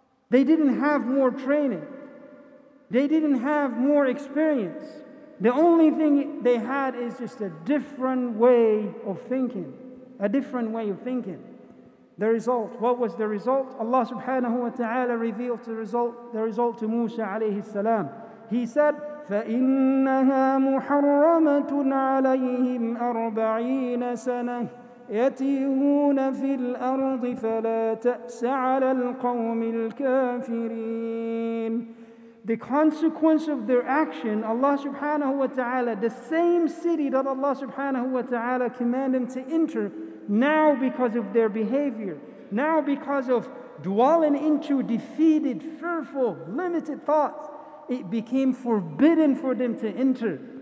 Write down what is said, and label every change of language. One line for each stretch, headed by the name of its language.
English: They didn't have more training. They didn't have more experience. The only thing they had is just a different way of thinking. A different way of thinking. The result, what was the result? Allah subhanahu wa ta'ala revealed the result to Musa alayhi salam. He said,
Arabic: فَإِنَّهَا مُحَرَّمَةٌ عَلَيْهِمْ أَرْبَعِينَ سَنَةٌ. يتيهون في الأرض فلا تأس على القوم الكافرين.
English: The consequence of their action, Allah subhanahu wa ta'ala, the same city that Allah subhanahu wa ta'ala commanded them to enter, now because of their behavior, now because of dwelling into defeated, fearful, limited thoughts, it became forbidden for them to enter.